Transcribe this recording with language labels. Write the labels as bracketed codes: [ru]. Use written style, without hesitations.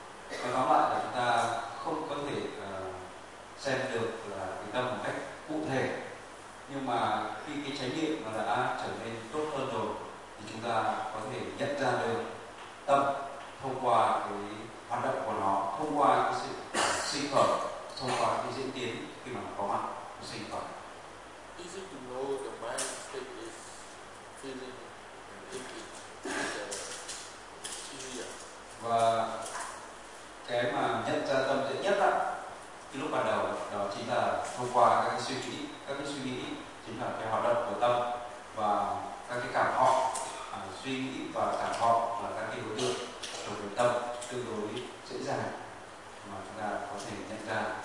[vi] Nói tóm lại là chúng ta không có thể xem được là cái tâm một cách cụ thể. Nhưng mà khi cái chánh niệm mà đã trở nên tốt hơn rồi, thì chúng ta có thể nhận ra được tâm thông qua cái hoạt động của nó, thông qua cái sự sinh khởi, thông qua cái diễn tiến khi mà nó có mặt. [en] Is it to know the mind state is feeling and thinking easier? [vi] Và cái mà nhận ra tâm dễ nhất á, cái lúc ban đầu đó chính là thông qua các cái suy nghĩ chính là cái hoạt động của tâm và các cái cảm thọ, suy nghĩ và cảm thọ là các cái đối tượng thuộc về tâm tương đối dễ dàng mà chúng ta có thể nhận ra.